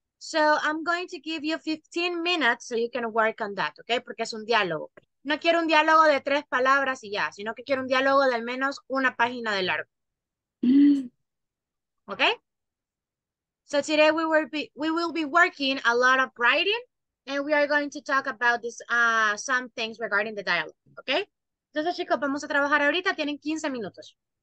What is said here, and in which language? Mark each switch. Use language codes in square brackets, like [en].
[en] So I'm going to give you 15 minutes so you can work on that, ok? [es] Porque es un diálogo. No quiero un diálogo de tres palabras y ya, sino que quiero un diálogo de al menos una página de largo. Ok. [en] So today we will be working a lot of writing and we are going to talk about this, some things regarding the dialogue, okay? [es] Entonces, chicos, vamos a trabajar ahorita, tienen 15 minutos.